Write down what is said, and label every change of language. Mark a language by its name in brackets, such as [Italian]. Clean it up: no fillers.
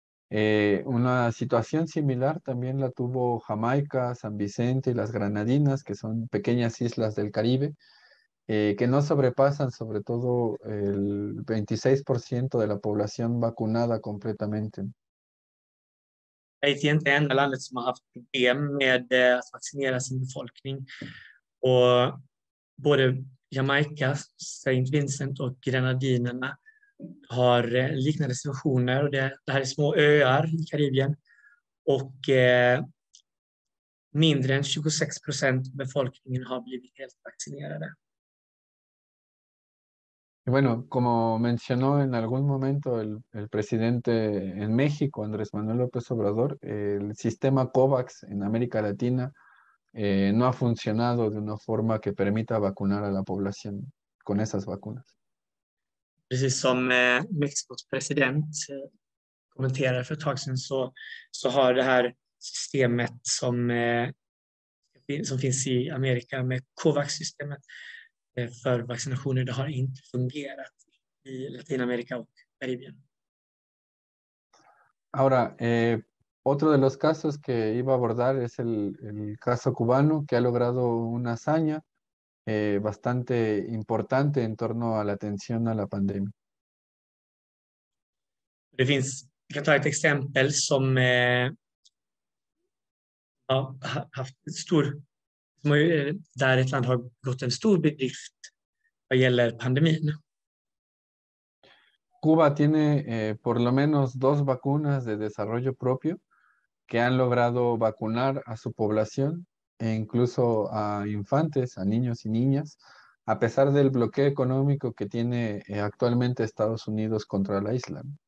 [Spanish] Una situación similar también la tuvo Jamaica, San Vicente y las Granadinas, que son pequeñas islas del Caribe, que no sobrepasan sobre todo el 26% de la población vacunada completamente. Haití es el único país que ha tenido problemas de vacunar a su población. [Swedish] Jamaica, Saint Vincent och Grenadinerna har liknande situationer. Och det här är små öar i Karibien och mindre än 26% av befolkningen har blivit helt vaccinerade. [Spanish] Bueno, como mencionó en algún momento el presidente en México, Andrés Manuel López Obrador, el sistema COVAX en América Latina no ha funcionado de una forma que permita vacunar a la población con esas vacunas. [Swedish] Precis som Mexikos president kommenterade för ett tag sedan så har det här systemet som finns i Amerika med COVAX-systemet för vaccinationer, det har inte fungerat i Latinamerika och Karibien. [Spanish] Ahora, otro de los casos que iba a abordar es el caso cubano, que ha logrado una hazaña bastante importante en torno a la atención a la pandemia. [Swedish] Det finns, jag kan ta ett exempel som har haft stor, som har, där ett land har gått en stor bedrift vad gäller pandemin. [Spanish] Cuba tiene por lo menos dos vacunas de desarrollo propio que han logrado vacunar a su población e incluso a infantes, a niños y niñas, a pesar del bloqueo económico que tiene actualmente Estados Unidos contra la isla.